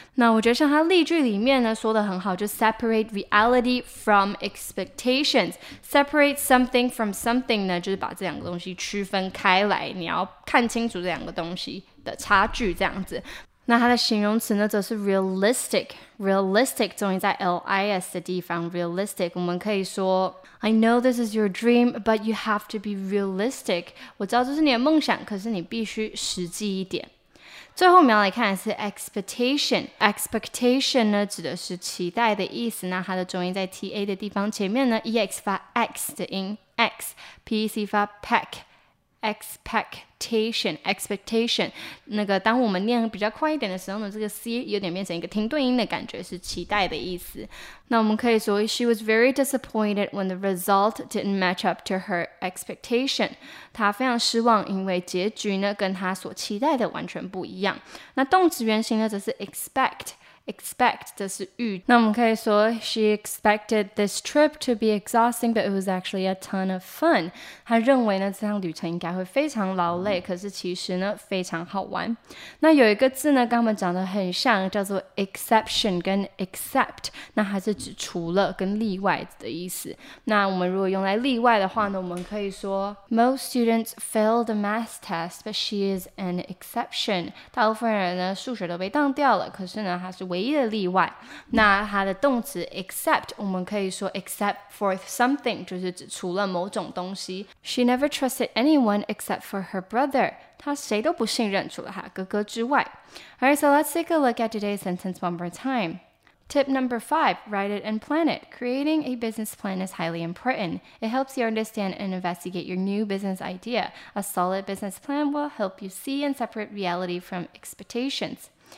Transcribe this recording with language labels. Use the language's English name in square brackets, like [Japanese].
[Chinese] 那我觉得像他例句里面呢说的很好，就 [English] separate reality from expectations， [Chinese] separate something from something 呢就是把这两个东西区分开来，你要看清楚这两个东西的差距这样子。那它的形容词呢则是 realistic 终于在 L-I-S 的地方 realistic。我们可以说 [English] I know this is your dream but you have to be realistic， [Chinese] 我知道这是你的梦想，可是你必须实际一点。最后我们要来看的是 expectation 呢指的是期待的意思，那它的终于在 TA 的地方，前面呢 EX 发 X 的音 X， PEC 发 PECexpectation 那个当我们念比较快一点的时候呢，这个 C 有点变成一个停顿音的感觉，是期待的意思。那我们可以说 [English] She was very disappointed when the result didn't match up to her expectation， [Chinese] 她非常失望，因为结局呢跟她所期待的完全不一样。那动词原形呢则是 expect expect 的是预。 [English] 那我们可以说 She expected this trip to be exhausting, but it was actually a ton of fun. [Chinese] 她认为呢这趟旅程应该会非常劳累，可是其实呢非常好玩。那有一个字呢跟我们讲得很像，叫做 exception 跟 except， 那还是指除了跟例外的意思。那我们如果用来例外的话呢，我们可以说 [English] Most students fail the math test, but she is an exception. [Chinese] 大部分人呢数学都被当掉了，可是呢她是唯一的例外。那她的动词 except 我们可以说 except for something， 就是指除了某种东西。 [English] She never trusted anyone except for her brother. [Chinese] 她谁都不信任除了她哥哥之外。 [English] Alright, so let's take a look at today's sentence one more time. Tip number 5, write it and plan it. Creating a business plan is highly important. It helps you understand and investigate your new business idea. A solid business plan will help you see and separate reality from expectations.